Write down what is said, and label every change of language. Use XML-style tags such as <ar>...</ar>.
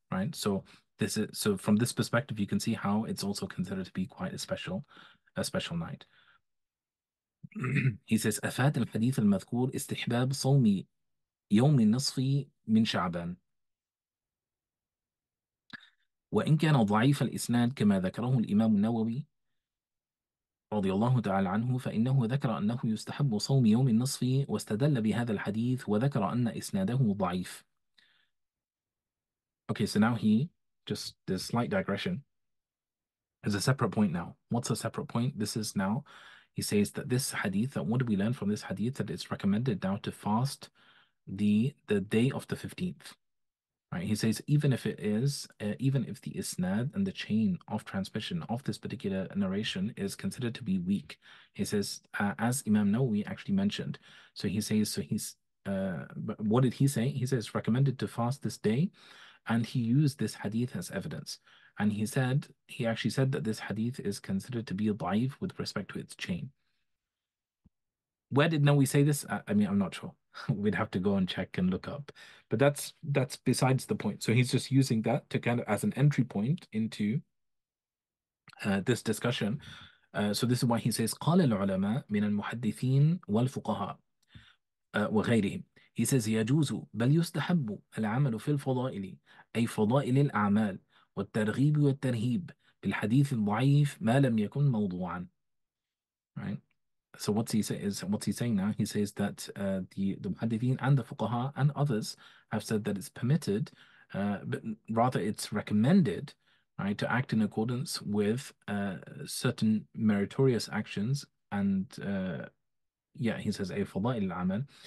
<en>Right, so this is, so from this perspective, you can see how it's also considered to be quite a special night. He says,</en> <ar>"أفاد الحديث المذكور استحباب صوم يوم النصف من شعبان، وإن كان ضعيف الإسناد كما ذكره الإمام النووي رضي الله تعالى عنه، فإنه ذكر أنه يستحب صوم يوم النصف واستدل بهذا الحديث وذكر أن إسناده ضعيف."</ar> <en>Okay, so now there's a slight digression. There's a separate point now. What's a separate point? This is now, he says that this hadith, that what do we learn from this hadith? That it's recommended now to fast the day of the 15th. Right? He says, even if it is, even if the isnad and the chain of transmission of this particular narration is considered to be weak, he says, as Imam Nawawi actually mentioned. So he says, what did he say? He says, recommended to fast this day. And he used this hadith as evidence. And he said, he actually said that this hadith is considered to be daif with respect to its chain. Where did Nawawi say this? I mean, I'm not sure. We'd have to go and check and look up. But that's besides the point. So he's just using that to kind of as an entry point into this discussion. So this is why he says,</en> <ar>قَالَ الْعُلَمَاءِ مِنَ الْمُحَدِّثِينَ وَالْفُقَهَاءِ وَغَيْرِهِمْ.</ar> <en>He says,</en> <ar>يَجُوزُ بَلْ يُسْتَحَبُّ الْعَمَلُ فِي الْفَضَائِلِ أي فَضَائِلِ الْأَعْمَالِ والترغيب والترهيب بالحديث الضعيف ما لم يكن موضوعا.</ar> <en>Right. So what's he saying now? He says that the muhaddithin and the fuqaha and others have said that it's permitted, but rather it's recommended, right, to act in accordance with certain meritorious actions. And he says a fadail al-amal.</en>